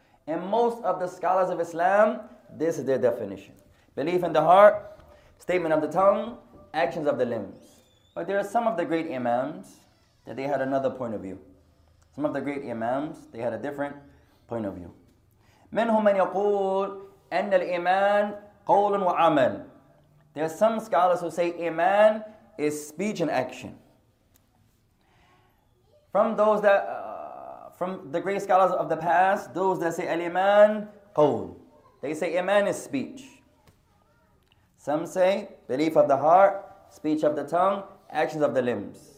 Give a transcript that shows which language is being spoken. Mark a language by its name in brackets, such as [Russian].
[English] And most of the scholars of Islam, this is their definition. Belief in the heart, statement of the tongue, actions of the limbs. But there are some of the great imams that they had another point of view. Some of the great imams, they had a different point of view. [Arabic] منهم من يقول أن الإيمان قول وعمل. [English] There are some scholars who say Iman is speech and action. From those that, from the great scholars of the past, those that say Al-Iman, قول. They say Iman is speech. Some say belief of the heart, speech of the tongue, actions of the limbs.